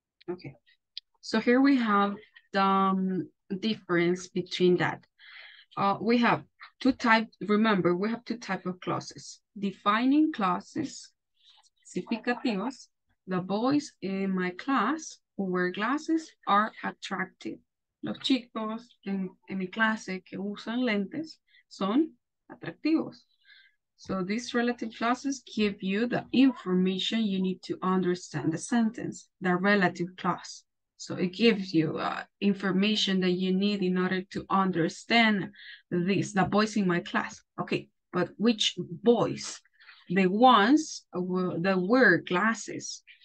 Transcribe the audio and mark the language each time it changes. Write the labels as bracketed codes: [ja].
[en] Okay. So here we have the difference between that. We have two types, remember, we have two types of clauses. Defining clauses, significativos, the boys in my class who wear glasses are attractive. [es] Los chicos en mi clase que usan lentes son atractivos. [en] So these relative clauses give you the information you need to understand the sentence, the relative clause. So it gives you information that you need in order to understand this, the boys in my class. Okay, but which boys? The ones that wear glasses.